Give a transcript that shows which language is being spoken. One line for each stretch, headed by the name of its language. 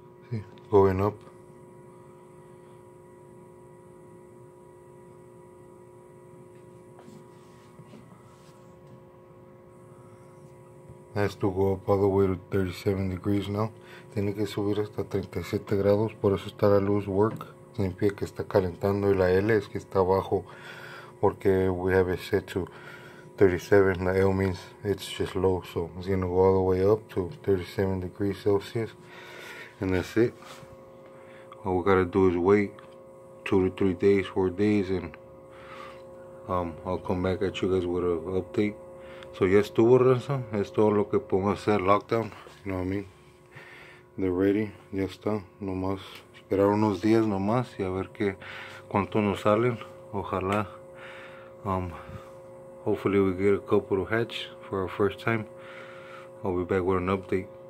English: See, going up. has to go up all the way to 37 degrees now.
Spanish: Tiene que subir hasta 37 grados, por eso está la luz work. Significa que está calentando y la L es que está abajo. Porque
English: we have it set to 37,
Spanish: la L
English: means it's just low. So it's going to go all the way up to 37 degrees Celsius. And that's it. All we gotta do is wait 2 to 3 days, 4 days, and I'll come back at you guys with an update.
Spanish: So ya estuvo, Raza. Esto es lo que pongo a hacer, lockdown.
English: You know what I mean? They're ready.
Spanish: Ya está. Nomás. Esperar unos días nomás y a ver qué cuánto nos salen. Ojalá.
English: Hopefully we get a couple of hatch for our first time. I'll be back with an update.